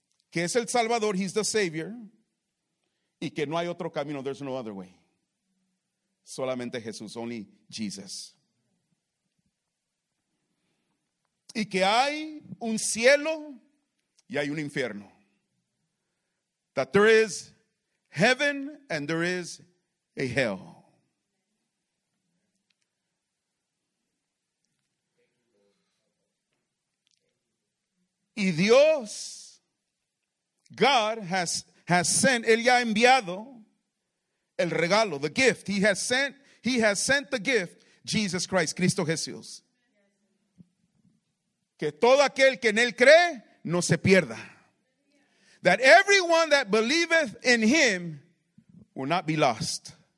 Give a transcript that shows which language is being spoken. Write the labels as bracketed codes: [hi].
[es] Que es el Salvador, [en] he's the Savior. [es] Y que no hay otro camino, [en] there's no other way. [es] Solamente Jesús, [en] only Jesus. [es] Y que hay un cielo y hay un infierno. [en] That there is heaven and there is a hell. [es] Y Dios, [en] God has sent, [es] él ya ha enviado el regalo, [en] the gift. He has sent the gift, Jesus Christ, Cristo Jesús. [es] Que todo aquel que en él cree, no se pierda. [en] That everyone that believeth in him will not be lost.